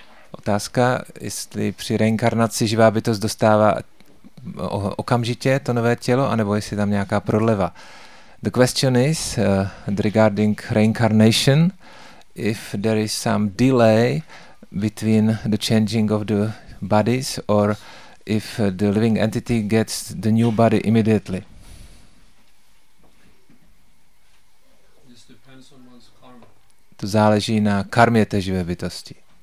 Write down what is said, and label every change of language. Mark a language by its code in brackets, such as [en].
[cs] Otázka, jestli při reinkarnaci živá bytost dostává okamžitě to nové tělo, anebo jestli tam nějaká prodleva. [en] The question is regarding reincarnation, if there is some delay between the changing of the bodies or if the living entity gets the new body immediately. This depends on one's karma. [cs] To záleží na karmě té živé bytosti.